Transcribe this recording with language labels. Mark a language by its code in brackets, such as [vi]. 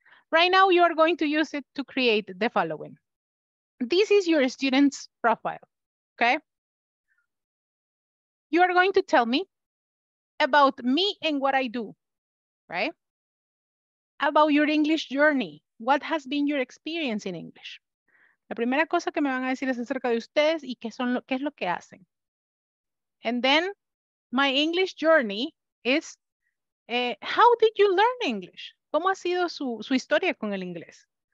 [en] Right now, you are going to use it to create the following. This is your student's profile, okay? You are going to tell me about me and what I do, right? About your English journey. What has been your experience in English? [es] La primera cosa que me van a decir es acerca de ustedes y qué es lo que hacen. [en] And then my English journey is, how did you learn English? [es] ¿Cómo ha sido su historia con el inglés?